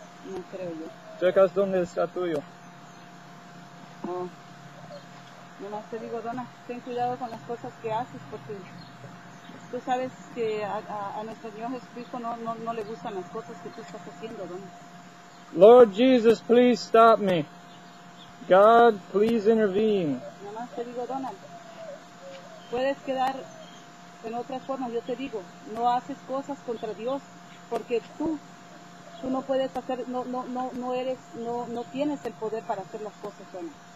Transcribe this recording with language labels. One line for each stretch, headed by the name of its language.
Spanish: No creo yo. ¿Checas dónde está tuyo? No. Nomás te digo, Donna, ten cuidado con las cosas que haces, porque tú sabes que a nuestro Señor Jesucristo no le gustan las cosas que tú estás haciendo, Donna.
English: Lord Jesus, please stop me. God, please intervene.
Spanish: Nomás te digo, Donna, puedes quedar en otra forma. Yo te digo, no haces cosas contra Dios, porque tú no puedes hacer, no tienes el poder para hacer las cosas, Donna.